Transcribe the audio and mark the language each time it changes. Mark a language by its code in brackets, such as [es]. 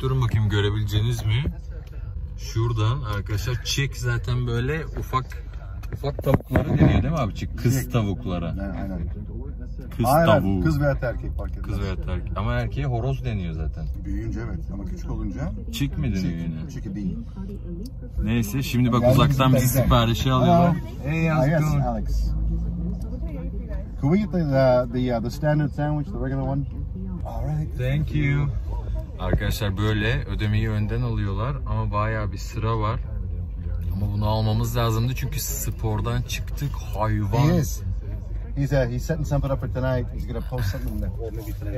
[tr] Durun bakayım görebileceğiniz mi? Şuradan arkadaşlar çek zaten böyle ufak tavuklara deniyor değil mi abi? Çek kız tavuklara. Aynen. Kız veya erkek fark etmez. Kız veya erkek. Ama erkeğe horoz deniyor zaten. Büyüyünce evet ama küçük olunca. Çek mi deniyor çek, yine? Çek değil. Neyse şimdi bak uzaktan bizi siparişi alıyorlar. [en] Hey Alex. Can we get the standard sandwich, the regular one? Alright. Thank you. [tr] Arkadaşlar böyle ödemeyi önden alıyorlar ama bayağı bir sıra var. Ama bunu almamız lazımdı çünkü spordan çıktık hayvan. [en] He is. He's setting something up for tonight. He's gonna post something there.